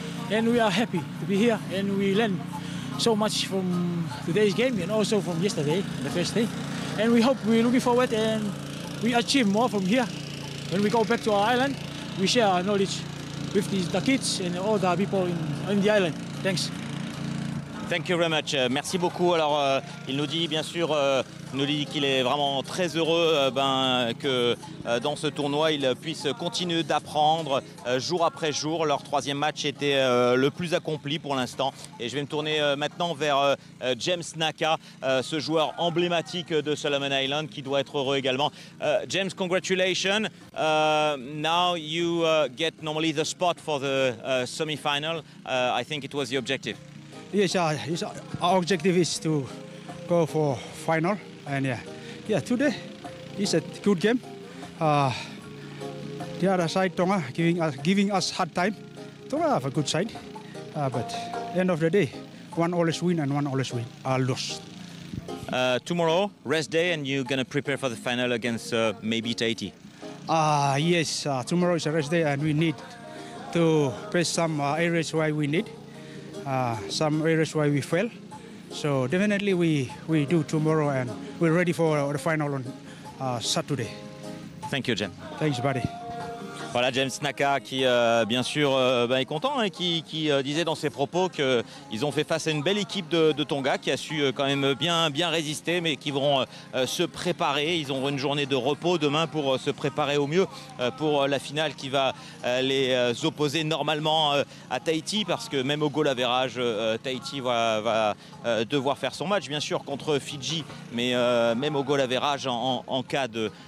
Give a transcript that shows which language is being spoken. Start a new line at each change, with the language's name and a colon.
English: And we are happy to be here and we learn so much from today's game and also from yesterday, the first day. And we hope we're looking forward and we achieve more from here. When we go back to our island, we share our knowledge with the kids and all the people in the island. Thanks. Thank you very much.
French: Merci beaucoup. Alors, il nous dit, bien sûr, qu'il est vraiment très heureux dans ce tournoi, il puisse continuer d'apprendre jour après jour. Leur troisième match était le plus accompli pour l'instant. Et je vais me tourner maintenant vers James Naka, ce joueur emblématique de Solomon Island, qui doit être heureux également.
English: James, congratulations. Now you get normally the spot for the semi-final. I think it was the objective. Yes, our objective is to go for final, and today is a good game. The other side, Tonga, giving us hard time. Tonga have a good side, but end of the day, one always win and one always win lose. Tomorrow, rest day, and you're going to prepare for the final against maybe Tahiti? Yes, tomorrow is a rest day, and we need to press some areas where we need. Some areas where we fail, so definitely we do tomorrow and we're ready for the final on Saturday. Thank you, James. Thanks, buddy.
French: Voilà, James Naka qui, bien sûr, est content et qui disait dans ses propos qu'ils ont fait face à une belle équipe de Tonga qui a su quand même bien résister, mais qui vont se préparer. Ils ont une journée de repos demain pour se préparer au mieux pour la finale qui va les opposer normalement à Tahiti, parce que même au goal average, Tahiti va devoir faire son match, bien sûr, contre Fidji, mais même au goal average, en cas de...